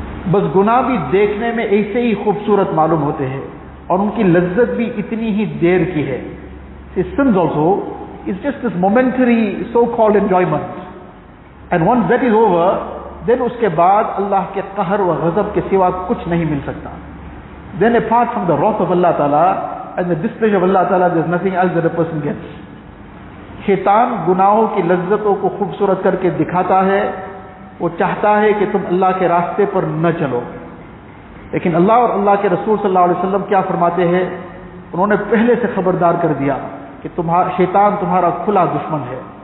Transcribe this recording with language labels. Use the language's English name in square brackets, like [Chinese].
[Urdu] بس گناہ بھی دیکھنے میں ایسے ہی خوبصورت معلوم ہوتے ہیں اور ان کی لذت بھی اتنی ہی دیر کی ہے. [English] See, sins also is just this momentary so-called enjoyment. And once that is over, then [Urdu] اس کے بعد اللہ کے قہر و غضب کے سوا کچھ نہیں مل سکتا. [English] Then apart from the wrath of Allah Ta'ala and the displeasure of Allah Ta'ala, there's nothing else that a person gets. [Urdu] شیطان گناہوں کی لذتوں کو خوبصورت کر کے دکھاتا ہے. وہ چاہتا ہے کہ تم اللہ کے راستے پر نہ چلو. لیکن اللہ اور اللہ کے رسول صلی اللہ علیہ وسلم کیا فرماتے ہیں؟ انہوں نے پہلے سے خبردار کر دیا کہ شیطان تمہارا کھلا دشمن ہے.